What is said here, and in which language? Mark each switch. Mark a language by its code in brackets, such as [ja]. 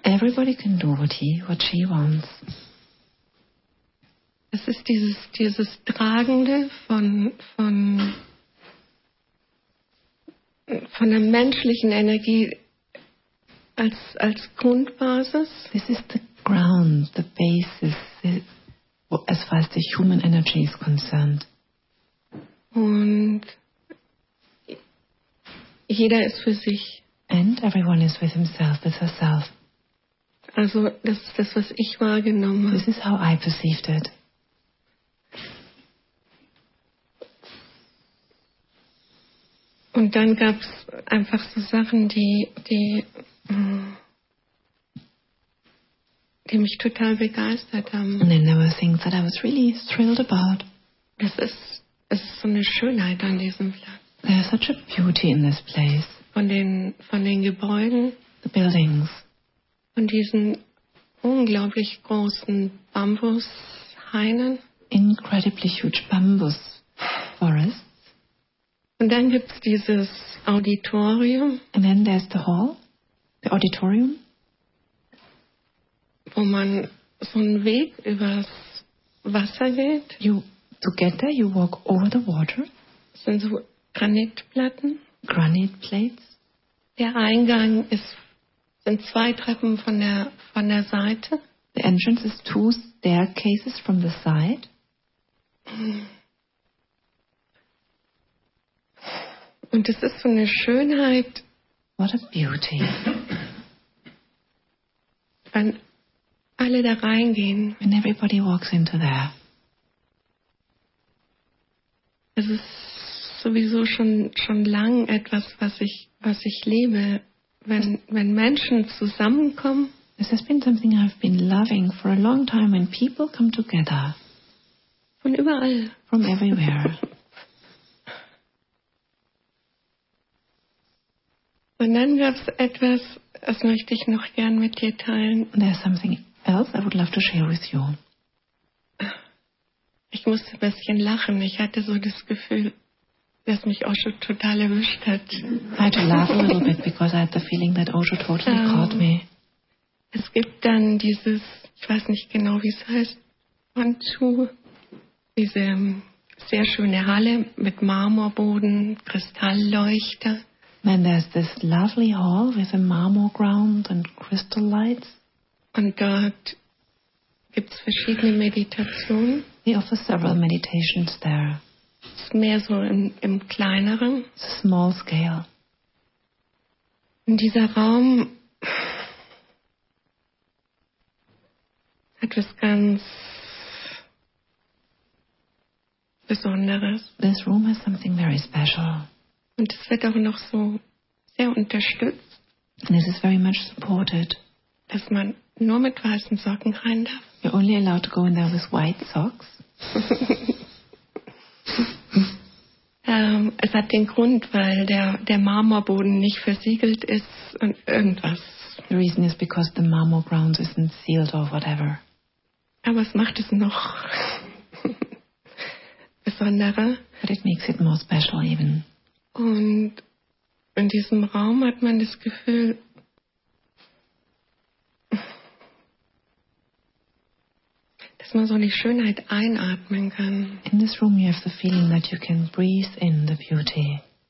[en] Everybody can do what she wants. [de] Es ist dieses Tragende von der menschlichen Energie als Grundbasis. [en] This is the ground, the basis, as far as the human energy is concerned. [de] Und jeder ist für sich. [en] And everyone is with himself, with herself. [de] Also das ist das, was ich wahrgenommen habe. [en] This is how I perceived it. [de] Und dann gab es einfach so Sachen, die mich total begeistert haben. [en] And then there were things that I was really thrilled about. [de] Das ist so eine Schönheit an diesem Platz. [en] There's such a beauty in this place. [de] Von den Gebäuden. [en] The buildings. [de] Von diesen unglaublich großen Bambushainen. [en] Incredibly huge bambus forests. [de] Und dann gibt's dieses Auditorium. [en] And then there's the hall. The auditorium. [de] wo man so einen Weg übers Wasser geht. [en] You together, you walk over the water. [de] Das sind so Granitplatten. [en] Granite plates. [de] Der Eingang ist, sind zwei Treppen von der Seite. [en] The entrance is two staircases from the side. [de] Und es ist so eine Schönheit. [en] What a beauty. [de] Wenn alle da reingehen. [en] When everybody walks into there. [de] Es ist sowieso schon lang etwas, was ich lebe, wenn Menschen zusammenkommen. [en] This has been something I've been loving for a long time when people come together. [de] Von überall. [en] From everywhere. [de] Und dann gab es etwas, das möchte ich noch gern mit dir teilen. [en] There's something else I would love to share with you. [de] Ich musste ein bisschen lachen. Ich hatte so das Gefühl, dass mich Osho total erwischt hat. [en] I had to laugh a little bit because I had the feeling that Osho totally caught me. [de] Es gibt dann dieses, ich weiß nicht genau, wie es heißt, Wanzhou, diese sehr schöne Halle mit Marmorboden, Kristallleuchter. [en] Then there's this lovely hall with a marble ground and crystal lights. [de] Und dort gibt's verschiedene Meditationen. [en] They offer several meditations there. It's [de] mehr so im kleineren. [en] It's a small scale. [de] Und dieser Raum hat was ganz Besonderes. [en] This room has something very special. [de] Und es wird auch noch so sehr unterstützt. [en] And this is very much supported. [de] Dass man nur mit weißen Socken rein darf. [en] You're only allowed to go in there with white socks. [de] Es hat den Grund, weil der Marmorboden nicht versiegelt ist und irgendwas. [en] The reason is because the marble ground isn't sealed or whatever. [de] Aber es macht es noch besonderer. [en] But it makes it more special even. [de] Und in diesem Raum hat man das Gefühl, dass man so die Schönheit einatmen kann. [en] In this room you have the feeling that you can breathe in the beauty.